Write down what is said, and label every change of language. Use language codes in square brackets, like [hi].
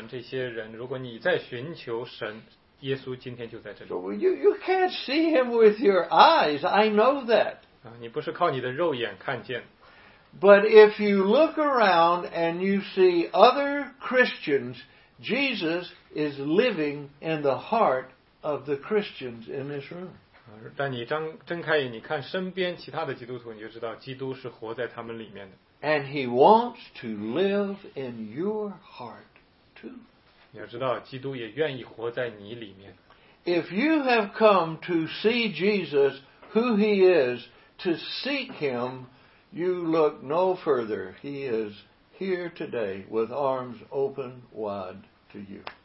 [zh] 所以我要告诉你呢，今天下午你们这些人，如果你在寻求神， 耶稣今天就在这里。 [en] You can't see him with your eyes, I know that. [zh] 你不是靠你的肉眼看见。 [en] But if you look around and you see other Christians, Jesus is living in the heart of the Christians in this room. [zh] 但你睁开眼，你看身边其他的基督徒，你就知道基督是活在他们里面的。 [en] And he wants to live in your heart too. [zh] 你要知道基督也愿意活在你里面。 [en] If you have come to see Jesus, who he is, to seek him, you look no further. He is here today with arms open wide to you.